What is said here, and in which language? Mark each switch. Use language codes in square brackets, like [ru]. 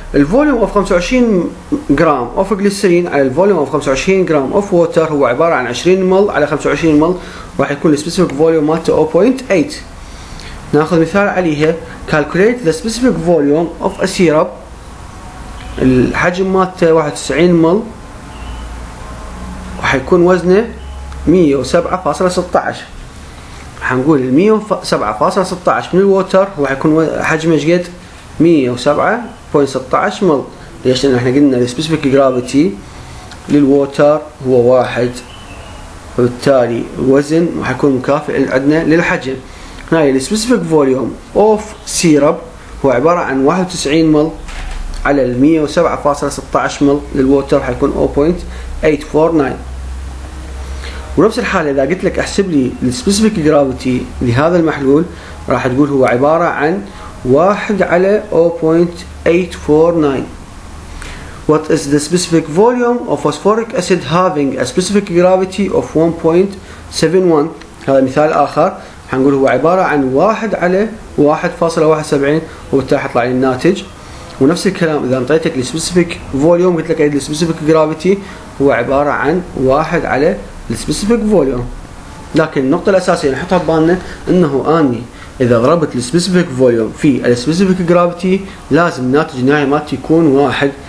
[ar] الفوليوم of 25 جرام of glycerin على الفوليوم of 25 جرام of water هو عبارة عن 20 مل على 25 مل، راح يكون specific volume مالته 0.8. ناخذ مثال عليها. [en] Calculate the specific volume of a syrup، [ar] الحجم مالته 91 مل وحيكون وزنه 107.16. حنقول 107.16 من الووتر هو حيكون حجمه ايش قد؟ 107.16 مل. ليش؟ لان احنا قلنا السبيسيفيك جرافيتي للووتر هو واحد، وبالتالي الوزن حيكون مكافئ عندنا للحجم. هنا السبيسيفيك فوليوم اوف سيرب هو عباره عن 91 مل على ال 107.16 مل للووتر، حيكون 0.849. ونفس الحالة إذا قلت لك أحسب لي specific gravity لهذا المحلول، راح تقول هو عبارة عن 1 على 0.849. [en] What is the specific volume of phosphoric acid having a specific gravity of 1.71؟ [ar] هذا مثال آخر، حنقول هو عبارة عن 1 على 1.71 وبالتالي حطلع لي الناتج. ونفس الكلام إذا أعطيتك specific volume قلت لك specific gravity هو عبارة عن 1 على السبيسيفيك فوليوم. لكن النقطة الأساسية نحطها ببالنا أنه أني إذا ضربت السبيسيفيك فوليوم في السبيسيفيك جرافيتي لازم ناتج النهائي مالتي يكون واحد.